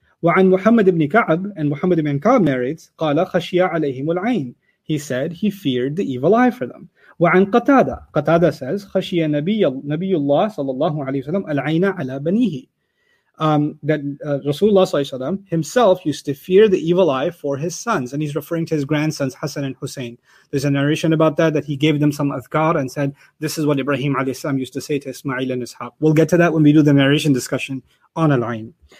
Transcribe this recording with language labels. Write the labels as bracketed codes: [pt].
[ar] وعن محمد بن كعب, [en] and Muhammad ibn Ka'b narrates, [ar] قال خشيا عليهم العين. [en] He said he feared the evil eye for them. [ar] وعن قتادة, [en] Qatada says [ar] خشيا نبي الله صلى الله عليه وسلم العين على بنيه. [en] that Rasulullah sallallahu alaihi wasallam himself used to fear the evil eye for his sons, and he's referring to his grandsons Hassan and Hussein. There's a narration about that he gave them some adhkar and said, "This is what Ibrahim alayhi salam used to say to Ismail and Ishaq." We'll get to that when we do the narration discussion on a line.